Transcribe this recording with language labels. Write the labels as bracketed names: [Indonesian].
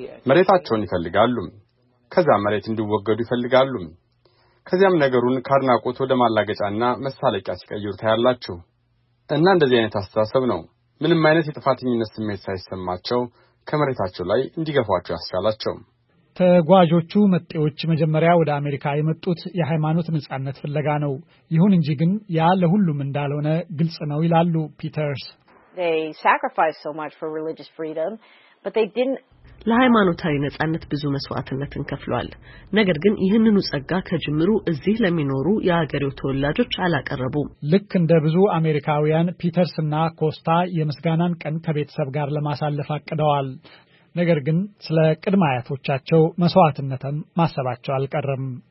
[Amharic] መሬታቸውን ይፈልጋሉ። ከዛ መሬት እንዲወገዱ ይፈልጋሉ። ከዚያም ነገሩን ካርናቆት ወደ ማላገጫና መሳለቂያ ሲቀይሩ ታያላችሁ። እና እንደዚህ አይነት አስተሳሰብ ነው ምንም አይነት የጥፋተኝነት ስሜት ሳይሰማቸው ከመሬታቸው ላይ እንዲገፋቸው ያስቻላቸው። ተጓዦቹ መጤዎች መጀመሪያ ወደ አሜሪካ የመጡት የሃይማኖት ንጻነት ፍለጋ ነው። ይሁን እንጂ ግን ያ ለሁሉም እንዳልሆነ ግልጽ ነው ይላሉ ፒተርስ። [English] They sacrificed so much for religious freedom, but they didn't [Amharic] ለሃይማኖታዊ ነጻነት ብዙ መስዋዕትነትን ከፍሏል። ነገር ግን ይህንኑ ጸጋ ከጅምሩ እዚህ ለሚኖሩ የሀገሪው ተወላጆች አላቀረቡም። ልክ እንደ ብዙ አሜሪካውያን ፒተርስና ኮስታ የምስጋናን ቀን ከቤተሰብ ጋር ለማሳለፍ አቀደዋል። ነገር ግን ስለ ቅድመ አያቶቻቸው መስዋዕትነትን ማሰባቸው አልቀረም።